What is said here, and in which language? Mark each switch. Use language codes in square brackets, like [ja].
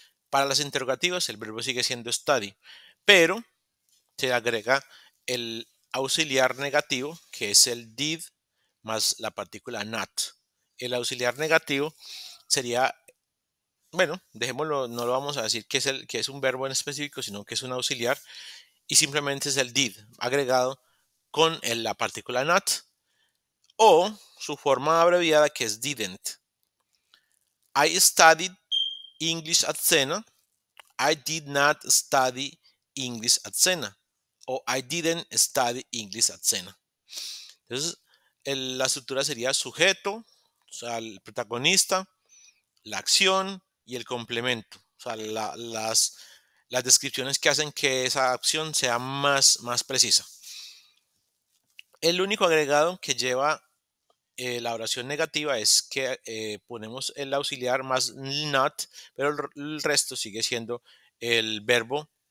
[es] Para las interrogativas el verbo sigue siendo study, pero se agrega el auxiliar negativo, que es el did más la partícula not. El auxiliar negativo sería, bueno, dejémoslo, no lo vamos a decir que es un verbo en específico, sino que es un auxiliar y simplemente es el did agregado con la partícula not. O su forma abreviada que es didn't. [en] I studied English at Sena. I did not study English at Sena. O I didn't study English at Sena. [es] Entonces, la estructura sería sujeto, o sea, el protagonista, la acción y el complemento. O sea, las descripciones que hacen que esa acción sea más precisa. El único agregado que lleva la oración negativa es que ponemos el auxiliar más not, pero el resto sigue siendo el verbo.